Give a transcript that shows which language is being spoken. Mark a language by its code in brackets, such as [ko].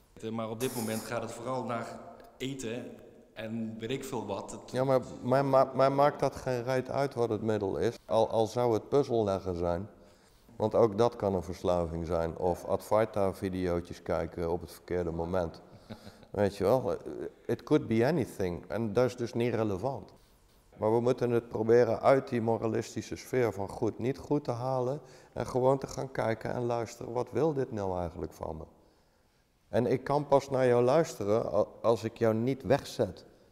[nl] Maar op dit moment gaat het vooral naar eten. En weet ik veel wat. Maar maakt dat geen reet uit wat het middel is. Al zou het puzzelleggen zijn. Want ook dat kan een verslaving zijn. Of Advaita-videootjes kijken op het verkeerde moment. Weet je wel, [en] it could be anything. [nl] En dat is dus niet relevant. Maar we moeten het proberen uit die moralistische sfeer van goed niet goed te halen. En gewoon te gaan kijken en luisteren. Wat wil dit nou eigenlijk van me? En ik kan pas naar jou luisteren als ik jou niet wegzet.